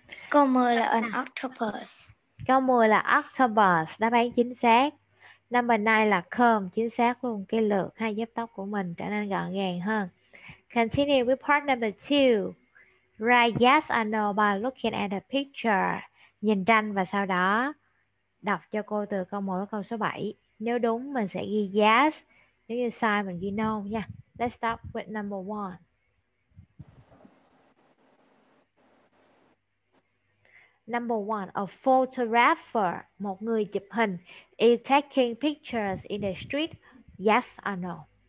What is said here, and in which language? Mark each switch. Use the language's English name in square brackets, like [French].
[Vietnamese] Câu 10 là an octopus. Câu 10 là octopus, đáp án chính xác. [English] Number 9 [Vietnamese] là comb, chính xác luôn. Cái lược hai dép tóc của mình trở nên gọn gàng hơn. [English] Continue with part number 2. Write yes or no by looking at the picture. [Vietnamese] Nhìn tranh và sau đó đọc cho cô từ câu 1 đến câu số 7. Nếu đúng mình sẽ ghi yes, nếu như sai mình ghi no nha. [English] Let's start with number 1. Number one, a photographer, [Vietnamese] một người chụp hình, [English] is taking pictures in the street, yes or no?